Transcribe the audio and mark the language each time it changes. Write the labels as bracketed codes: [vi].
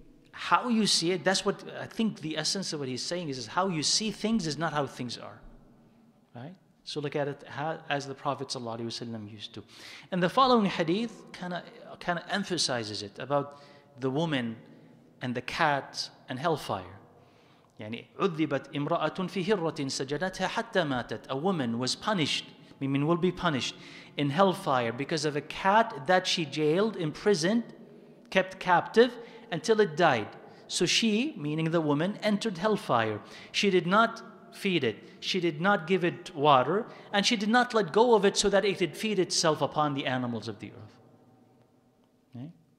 [en] How you see it, that's what I think the essence of what he's saying is how you see things is not how things are. Right? So look at it as the Prophet ﷺ used to. And the following hadith kind of emphasizes it about the woman and the cat and hellfire. [ar] يعني عذبت امرأة في هرة سجنتها حتى ماتت. [en] A woman was punished Mimin will be punished in hellfire because of a cat that she jailed, imprisoned, kept captive until it died. So she, meaning the woman, entered hellfire. She did not feed it. She did not give it water. And she did not let go of it so that it could feed itself upon the animals of the earth. Okay?